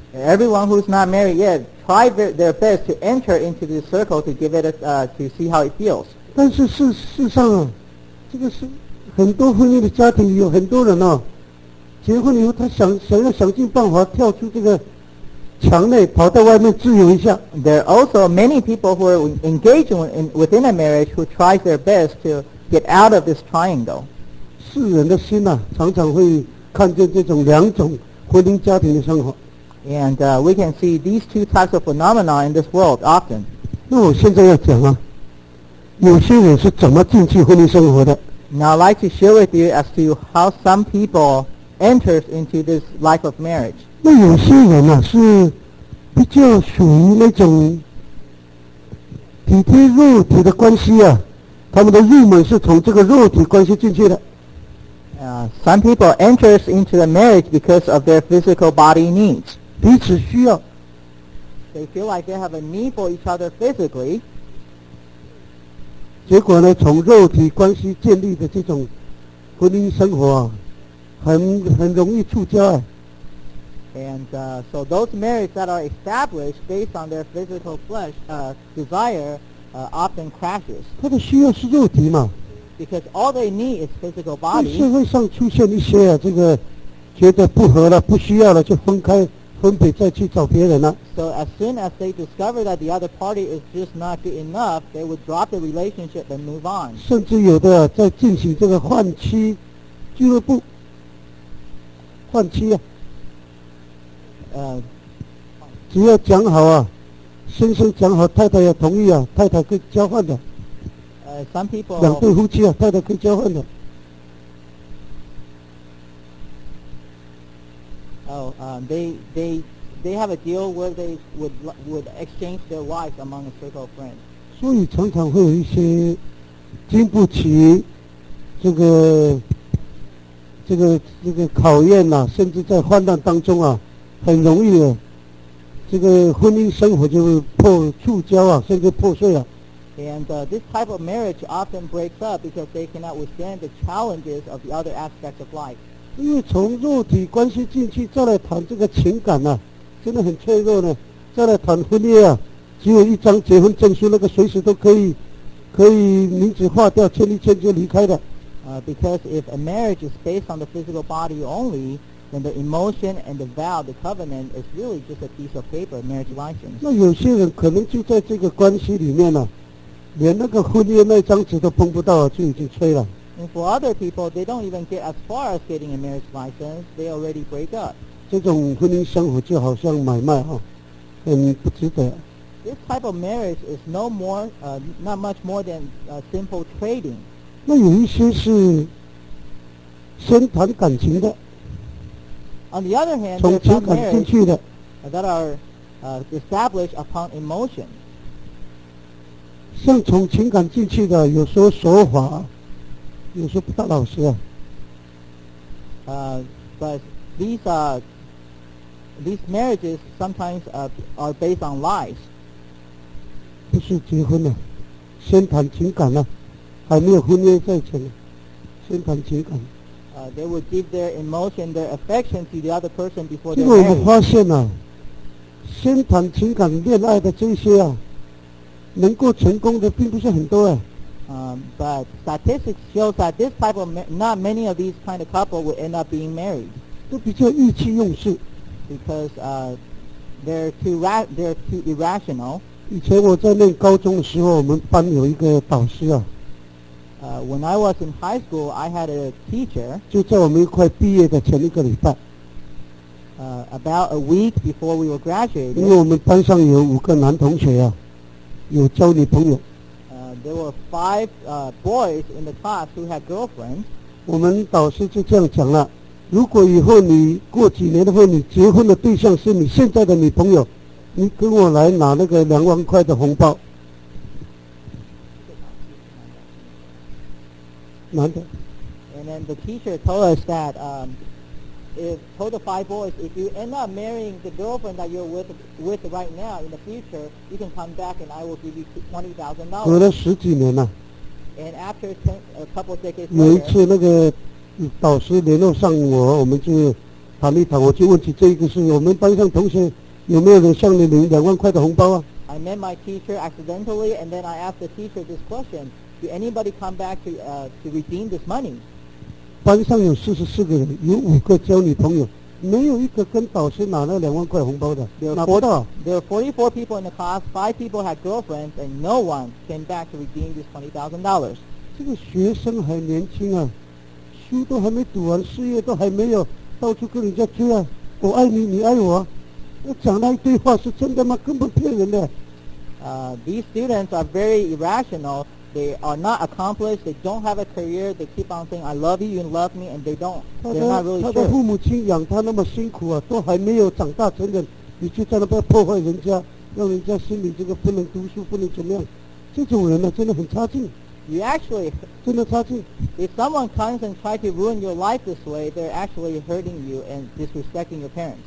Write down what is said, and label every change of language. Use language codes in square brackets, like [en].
[en] Everyone who's not married yet, try their best to enter into this circle to give it to see how it feels. [zh] 但是事实上啊，这个是很多婚姻的家庭，有很多人啊，结婚以后他想尽办法跳出这个墙内，跑到外面自由一下。 [en] There are also many people who are engaged within a marriage who try their best to get out of this triangle. [zh] 世人的心啊，常常会看见这种两种婚姻家庭的生活。 [en] And we can see these two types of phenomena in this world often. [zh] 那我现在要讲啊，有些人是怎么进去婚姻生活的。 [en] Now I'd like to share with you as to how some people enter into this life of marriage. [zh] 那有些人啊，是比较属于那种体贴肉体的关系啊，他们的入门是从这个肉体关系进去的。 [en] Some people enter into the marriage because of their physical body needs. [zh] 彼此需要。 [en] They feel like they have a need for each other physically. [zh] 结果呢，从肉体关系建立的这种婚姻生活啊，很容易触礁啊。 [en] And so those marriages that are established based on their physical flesh desire often crashes. [zh] 他的需要是肉体嘛。 [en] Because all they need is physical body. [zh] 在社会上出现一些啊，这个觉得不合了，不需要了，就分开。分别再去找别人了。 [en] So as soon as they discover that the other party is just not good enough, they would drop the relationship and move on. [zh] 甚至有的在进行这个换妻俱乐部，换妻啊。只要讲好啊，先生讲好，太太要同意啊，太太可以交换的。 [en] Some people [zh] 两对夫妻啊，太太可以交换的。 [en] They have a deal where they would exchange their wives among a circle of friends. [zh] 所以常常会有一些经不起这个考验呐、啊，甚至在患难当中啊，很容易的、啊，这个婚姻生活就会触礁啊，甚至破碎了、啊。 [en] And this type of marriage often breaks up because they cannot withstand the challenges of the other aspects of life. [zh] 因为从肉体关系进去，再来谈这个情感啊，真的很脆弱呢。再来谈婚恋啊，只有一张结婚证书，那个随时都可以名字划掉，签一签就离开的。 [en] Because if a marriage is based on the physical body only, then the emotion and the vow, the covenant, is really just a piece of paper, marriage license. [zh] 那有些人可能就在这个关系里面啊，连那个婚恋那张纸都碰不到、啊，就已经吹了。 [en] And for other people, they don't even get as far as getting a marriage license. They already break up. [zh] 这种婚姻生活就好像买卖哈，很不值得。 [en] This type of marriage is no more, not much more than simple trading. [zh] 那有一些是先谈感情的。 [en] On the other hand, there are some marriages that are established upon emotion. [zh] 像从情感进去的，有时候说法。有时候不大老实啊。 [en] But these marriages sometimes are based on lies. [zh] 不是结婚了，先谈情感了，还没有婚约在前，先谈情感。 [en] They would give their emotion, their affection to the other person before they're married. [zh] 因为我们发现啊，先谈情感恋爱的这些啊，能够成功的并不是很多啊。 [en] But statistics show that this type of not many of these kind of couple would end up being married. [zh] 都比较意气用事 [en] because they're too irrational. [zh] 以前我在念高中的时候，我们班有一个导师啊。 [en] When I was in high school, I had a teacher. [zh] 就在我们快毕业的前一个礼拜。 [en] About a week before we were graduated. [zh] 因为我们班上有五个男同学啊，有交女朋友。 [en] There were five boys in the class who had girlfriends. [zh] 我们导师就这样讲了，如果以后你过几年的话，你结婚的对象是你现在的女朋友，你跟我来拿那个2万块的红包。男的。 [en] And then the teacher told us that told the five boys, if you end up marrying the girlfriend that you're with right now, in the future, you can come back and I will give you $20,000. [zh] 隔了十几年了。 [en] And after a couple of decades later, [zh] 有一次那个导师联络上我，我们就谈一谈，我就问起这个事，我们班上同学有没有人向你领2万块的红包啊？ [en] I met my teacher accidentally, and then I asked the teacher this question: Did anybody come back to redeem this money? [zh] 班上有44个人，有5个交女朋友，没有一个跟导师拿了2万块红包的，拿不到。 [en] There are 44 people in the class. 5 people had girlfriends, and no one came back to redeem this $20,000. [zh] 这个学生还年轻啊，书都还没读完，事业都还没有，到处跟人家吹啊，我爱你，你爱我。讲那一堆话是真的吗？根本骗人的。 [en] These students are very irrational. They are not accomplished. They don't have a career. They keep on saying, "I love you, you love me," and they don't. They're not really sure. [zh] 他的父母亲养他那么辛苦啊，都还没有长大成人，你就在那边破坏人家，让人家心里这个不能读书，不能怎么样？这种人呢、啊，真的很差劲。 [en] You actually [zh] 真的差劲。 [en] If someone comes and tries to ruin your life this way, they're actually hurting you and disrespecting your parents.